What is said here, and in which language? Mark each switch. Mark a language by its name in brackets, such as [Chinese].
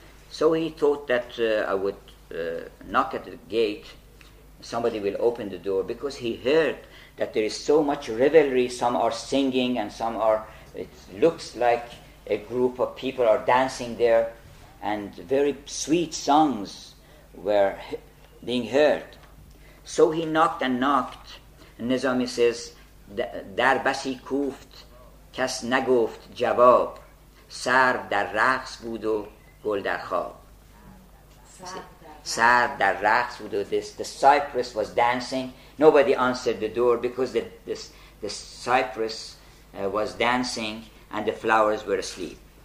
[English] So he thought that I would knock at the gate, somebody will open the door, because he heard that there is so much revelry, some are singing and some are, it looks like a group of people are dancing there, and very sweet songs were being heard. So he knocked and knocked. And Nizami says, [Persian] در بسی کوفت کس نگفت جواب سر در رقص بود و گل در خواب. سر در رقص بود و [English] the cypress was dancing. Nobody answered the door because the, this, the cypress was dancing and the flowers were asleep.